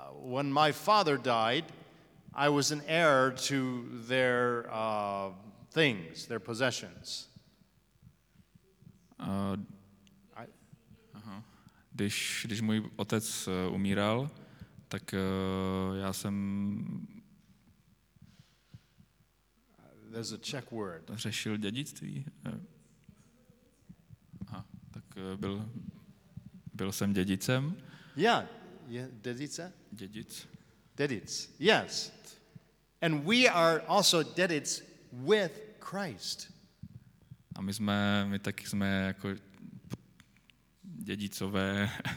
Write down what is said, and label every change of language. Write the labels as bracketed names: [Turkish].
[English] When my father died, I was an heir to their things, their possessions. [Czech] Když můj otec umíral, tak já jsem. [English] There's a Czech word. [Czech] Řešil dědictví. Tak byl. Byl jsem dědicem. Yeah, dědice. Dědic. Dědic. Yes. [English] And we are also dědic with Christ. [Czech] A my taky jsme jako dědicové.